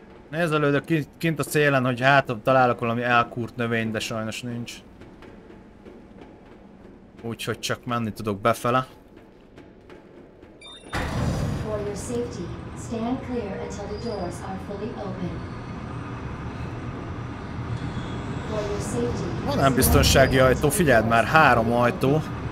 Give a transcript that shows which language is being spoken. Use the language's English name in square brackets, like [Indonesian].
[Hungarian] Nézelődök kint a szélen, hogy hát találok valami elkúrt növény, de sajnos nincs. Úgyhogy csak menni tudok befele. [English] For your safety, stand clear until the doors are fully open. [Hungarian] Van nem biztonsági ajtó, figyeld már, három ajtó.